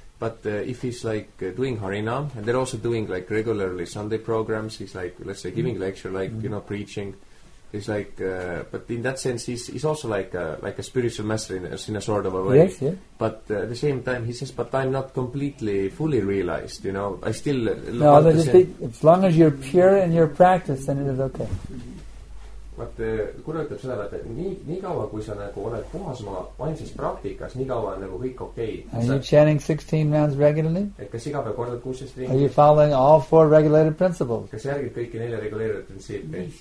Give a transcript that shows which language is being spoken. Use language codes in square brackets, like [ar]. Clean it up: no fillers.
[en] But if he's like doing Harinam, and they're also doing like regularly Sunday programs, he's like, let's say, giving lecture, like, you know, preaching. He's like, but in that sense, he's also like a spiritual master in a sort of a way. Yes, yeah. But at the same time, he says, but I'm not completely fully realized, you know. I still... No, let's just think, as long as you're pure in your practice, then it is okay. [et] Vaat, kui ütleb seda, et nii kaua, kui sa nagu oled puhas oma vaimses praktikas, nii kaua on nagu kõik okei. [en] Are you chanting 16 rounds regularly? [et] Et kas iga päev kordad 16 ringi? [en] Are you following all four regulated principles? [et] Kas järgid kõiki nelja reguleerivad prinsiipi?